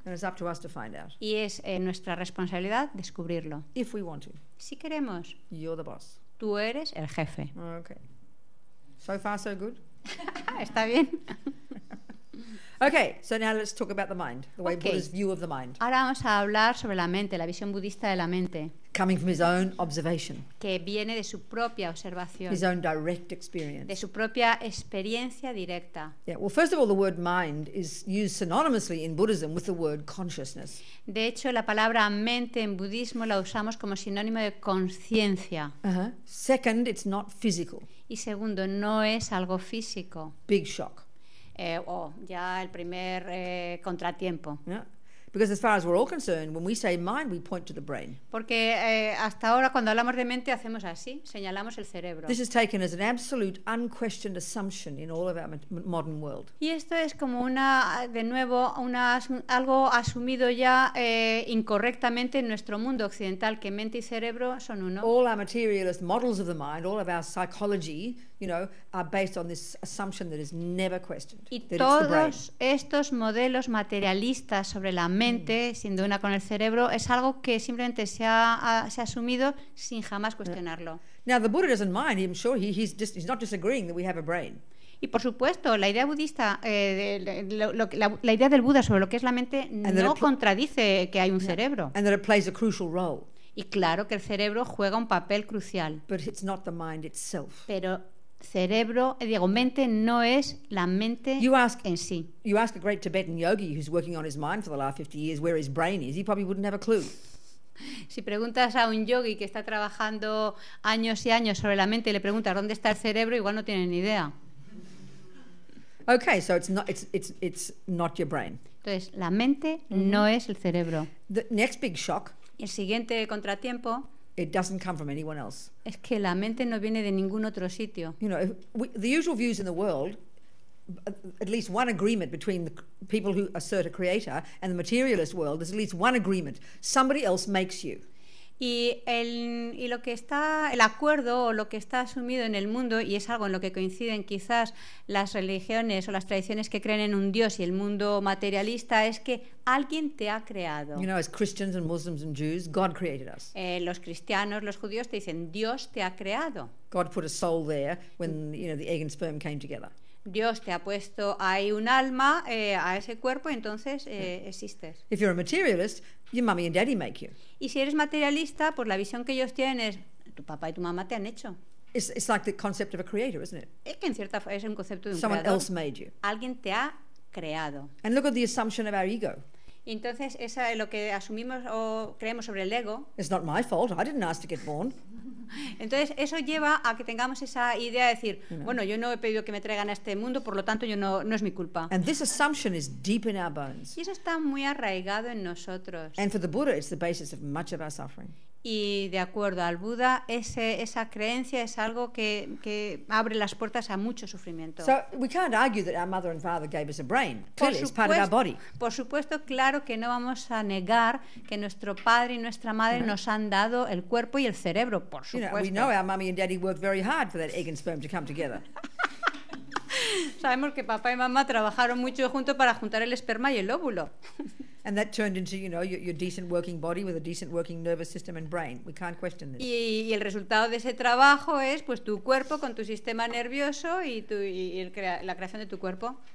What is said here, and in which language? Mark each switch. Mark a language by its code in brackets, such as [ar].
[en] And it's up to us to find out. [es] Y es nuestra responsabilidad descubrirlo. [en] If we want to. [es] Si queremos. [en] You're the boss. [es] Tú eres el jefe. [en] Okay. So far, so good. [es] Está bien. [en] Okay, so now let's talk about the mind, the way Buddha's view of the mind. [es] Ahora vamos a hablar sobre la mente, la visión budista de la mente. [en] Coming from his own observation. [es] Que viene de su propia observación. [en] His own direct experience. [es] De su propia experiencia directa. [en] Yeah, well, first of all, the word mind is used synonymously in Buddhism with the word consciousness. [es] De hecho, la palabra mente en budismo la usamos como sinónimo de conciencia. [en] Second, it's not physical. [es] Y segundo, no es algo físico. [en] Big shock. [es] Ya el primer contratiempo. [en] Yeah. Because as far as we're all concerned, when we say mind, we point to the brain. [es] Porque hasta ahora cuando hablamos de mente hacemos así, señalamos el cerebro. [en] This is taken as an absolute, unquestioned assumption in all of our modern world. [es] Y esto es como una, de nuevo, una algo asumido ya incorrectamente en nuestro mundo occidental, que mente y cerebro son uno. [en] All our materialist models of the mind, all of our psychology, you know, are based on this assumption that is never questioned. [es] Y todos estos modelos materialistas sobre la mente, siendo una con el cerebro, es algo que simplemente se ha asumido sin jamás cuestionarlo. [en] Now the Buddha doesn't mind. I'm sure he's not disagreeing that we have a brain. [es] Y por supuesto, la idea budista, la idea del Buda sobre lo que es la mente, no contradice que hay un cerebro. [en] And that it plays a crucial role. [es] Y claro que el cerebro juega un papel crucial. [en] But it's not the mind itself. [es] Pero cerebro, digo, mente no es la mente en sí. [en] You ask a great Tibetan yogi who's working on his mind for the last 50 years where his brain is, he probably wouldn't have a clue. [es] Si preguntas a un yogi que está trabajando años y años sobre la mente y le preguntas dónde está el cerebro, igual no tiene ni idea. [en] Okay, so it's not your brain. [es] Entonces, la mente no es el cerebro. [en] The next big shock. [es] El siguiente contratiempo. [en] It doesn't come from anyone else. [es] Es que la mente no viene de ningún otro sitio. [en] You know, the usual views in the world, at least one agreement between the people who assert a creator and the materialist world, there's at least one agreement. Somebody else makes you. [es] Y lo que está, el acuerdo o lo que está asumido en el mundo, y es algo en lo que coinciden quizás las religiones o las tradiciones que creen en un Dios y el mundo materialista, es que alguien te ha creado. [en] You know, as Christians and Muslims and Jews, God created us. [es] Los cristianos, los judíos te dicen, Dios te ha creado. [en] God put a soul there when, you know, the egg and sperm came together. [es] Dios te ha puesto ahí un alma a ese cuerpo, entonces existes. [en] If you're a materialist, your mommy and daddy make you. [es] Y si eres materialista, pues la visión que ellos tienen es tu papá y tu mamá te han hecho. [en] It's like the concept of a creator, isn't it? [es] Es que en cierta forma es un concepto de un [en] Someone [es] creador. [en] Else made you. [es] Alguien te ha creado. [en] And look at the assumption of our ego. [es] Y entonces esa es lo que asumimos o creemos sobre el ego. [en] It's not my fault. I didn't ask to get born. [es] Entonces eso lleva a que tengamos esa idea de decir, bueno, yo no he pedido que me traigan a este mundo, por lo tanto yo no es mi culpa. [en] And this assumption is deep in our bones. [es] Y eso está muy arraigado en nosotros. [en] And for the Buddha, it's the basis of much of our suffering. [es] Y de acuerdo al Buda, esa creencia es algo que abre las puertas a mucho sufrimiento. [en] So we can't argue that our mother and father gave us a brain. Clearly, it's part of our body. [es] Por supuesto, claro que no vamos a negar que nuestro padre y nuestra madre nos han dado el cuerpo y el cerebro, por supuesto. [en] You know, we know our mommy and daddy worked very hard for that egg and sperm to come together. [es] Sabemos que papá y mamá trabajaron mucho juntos para juntar el esperma y el óvulo. [en] And that turned into, you know, your decent working body with a decent working nervous system and brain. We can't question this. [es] Y el resultado de ese trabajo es, pues, tu cuerpo con tu sistema nervioso y la creación de tu cuerpo.